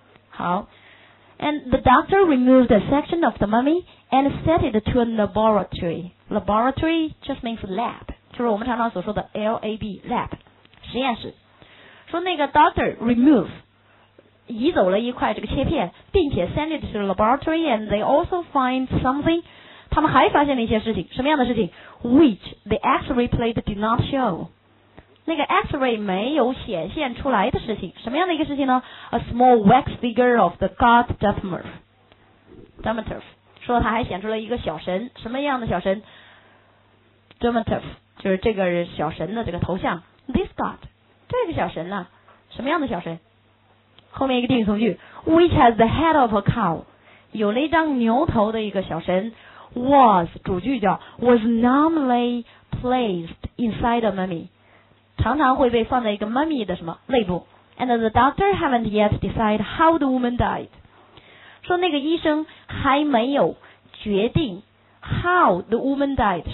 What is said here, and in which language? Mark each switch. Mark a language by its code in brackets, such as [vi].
[en] 好，And the doctor removed a section of the mummy and set it to a laboratory. Laboratory just means lab. [zh] 就是我们常常所说的 LAB, lab, 实验室。 [en] 说那个 doctor remove, [zh] 移走了一块这个切片， [en] 并且 send it to a laboratory and they also find something. [zh] 他们还发现了一些事情，什么样的事情？ [en] Which the x-ray plate did not show. [zh] 那个 x-ray 没有显现出来的事情，什么样的一个事情呢？ [en] A small wax figure of the god Demeter， [zh] 说他还显出了一个小神，什么样的小神？ Demeter 就是这个小神的这个头像。This god， 这个小神呢，什么样的小神？后面一个定语从句， [en] Which has the head of a cow， [zh] 有了一张牛头的一个小神。 Was， 主句叫 [en] was normally placed inside a mummy， [zh] 常常会被放在一个 mummy 的什么内部， [en] and the doctor haven't yet decided how the woman died. [zh] 说那个医生还没有决定 [en] how the woman died.